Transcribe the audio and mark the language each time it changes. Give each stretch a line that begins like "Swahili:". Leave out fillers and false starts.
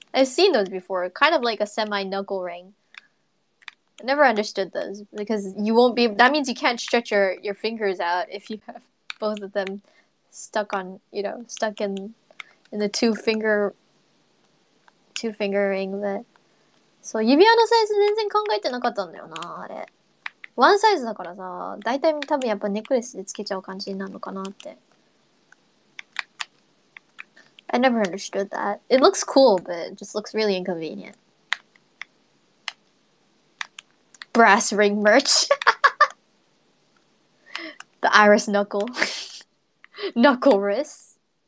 English: I've seen those before, kind of like a semi knuckle ring. I never understood those because you won't be, that means you can't stretch your fingers out if you have both of them stuck on, you know, stuck in the two finger ring. But so
Japanese: 指輪のサイズ全然考えてなかったんだよなあれ。ワンサイズだからさ、大体多分やっぱネックレスでつけちゃう感じになるのかなって。
English: I never understood that. It looks cool, but it just looks really inconvenient. Brass ring merch. The iris knuckle. Knuckle wrist.